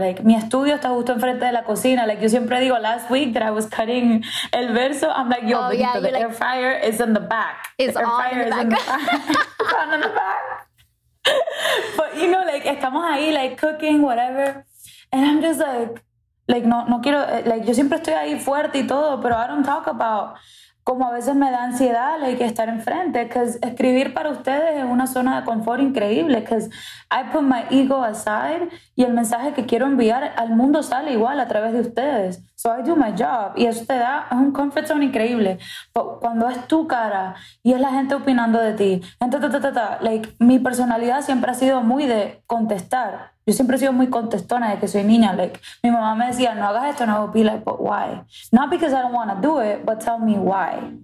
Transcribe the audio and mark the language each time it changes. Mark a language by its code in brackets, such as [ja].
[en] Like, [es] mi estudio está justo enfrente de la cocina. [en] Like, [es] yo siempre digo, [en] last week that I was cutting [es] el verso, [en] I'm like, yo, the air fryer is in the back. It's the air all fryer in the back. It's on the back. But, you know, like, [es] estamos ahí, [en] like, cooking, whatever. And I'm just like, [es] no quiero, like, yo siempre estoy ahí fuerte y todo, pero [en] I don't talk about [es] como a veces me da ansiedad, like, estar enfrente, because escribir para ustedes es una zona de confort increíble, [en] because I put my ego aside [es] y el mensaje que quiero enviar al mundo sale igual a través de ustedes. [en] So I do my job, [es] y eso te da, es un comfort zone increíble, [en] but [es] cuando es tu cara y es la gente opinando de ti, like, mi personalidad siempre ha sido muy de contestar. Yo siempre he sido muy contestona de que soy niña. [en] Like, [es] mi mamá me decía, no hagas esto, no hago pila. [en] Like, but why? Not because I don't want to do it, but tell me why.